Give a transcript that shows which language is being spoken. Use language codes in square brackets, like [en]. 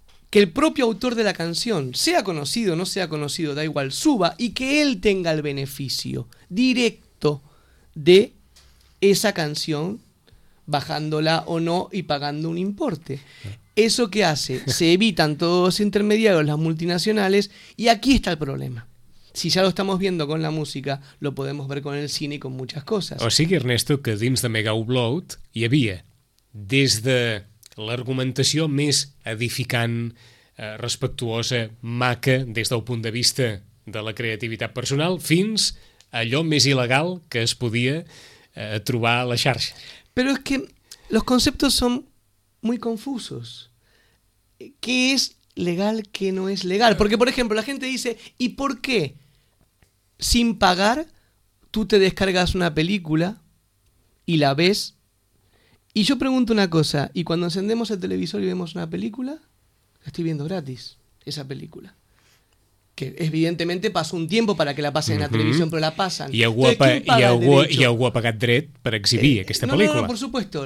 [es] Que el propio autor de la canción, sea conocido o no sea conocido, da igual, suba, y que él tenga el beneficio directo de esa canción, bajándola o no y pagando un importe. ¿Eso qué hace? Se evitan todos los intermediarios, las multinacionales, y aquí está el problema. Si ja lo estamos viendo con la música, lo podemos ver con el cine y con muchas cosas. [ca] O sigui, Ernesto, que dins de Mega Upload hi havia, des de... l'argumentació més edificant, respectuosa, maca des del punt de vista de la creativitat personal fins a allò més il·legal que es podia trobar a la xarxa. Però és que els conceptes són molt confusos. Què és legal, què no és legal? Perquè, per exemple, la gent diu i per què, [es] sin pagar, tu te descargas [ca] una pel·lícula i la ves... [es] Y yo pregunto una cosa, ¿y cuando encendemos el televisor y vemos una película? La estoy viendo gratis, esa película. Que evidentemente pasó un tiempo para que la pasen en la televisión, pero la pasan. [ca] ¿Y algú ha pagat dret per exhibir aquesta película? [es] No, por supuesto.